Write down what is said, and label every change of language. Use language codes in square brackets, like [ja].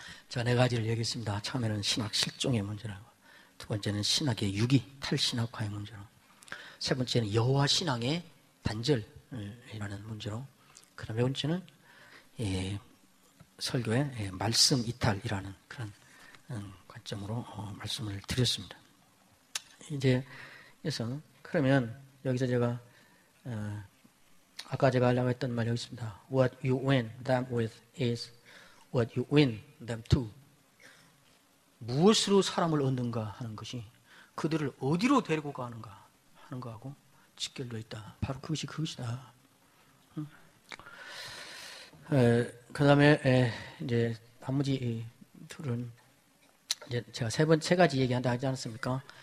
[ko] 제가 네 가지를 얘기했습니다. 처음에는 신학 실종의 문제라고, 두 번째는 신학의 유기 탈신학화의 문제로, 세 번째는 여호와 신앙의 단절이라는 문제로, 그 다음에 번째는 설교의 말씀 이탈이라는 그런 관점으로 말씀을 드렸습니다. 이제 그래서 그러면 여기서 제가 아까 제가 하려고 했던 말이 여기 있습니다. [en] What you win them with is what you win them to. [ko] 무엇으로 사람을 얻는가 하는 것이 그들을 어디로 데리고 가는가 하는 것하고 직결되어 있다. 바로 그것이 그것이다. 그 다음에 이제 나머지 둘은 이제 제가 세 가지 얘기한다 하지 않았습니까?